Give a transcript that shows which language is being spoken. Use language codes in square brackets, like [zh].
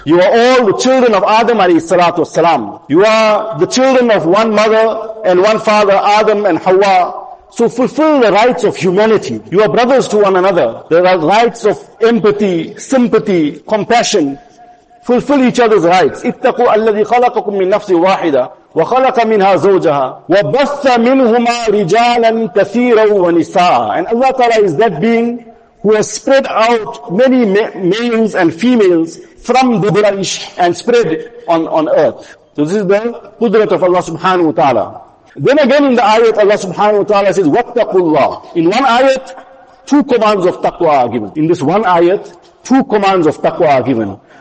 [en] You are all the children of Adam alayhi salatu wasalam. You are the children of one mother and one father, Adam and Hawa. So fulfill the rights of humanity. You are brothers to one another. There are rights of empathy, sympathy, compassion. Fulfill each other's rights. [ar] اتقوا الذي خلقكم من نفس واحدة وخلق منها زوجها وبث منهما رجالا كثيرا ونساء. [en] And Allah Ta'ala is that being who has spread out many males and females from the branch and spread on earth. So this is the qudrat of Allah subhanahu wa ta'ala. Then again in the ayat, Allah subhanahu wa ta'ala says, [ar] وَاتَّقُوا اللَّهِ. [en] In one ayat, two commands of taqwa are given. In this one ayat, two commands of taqwa are given.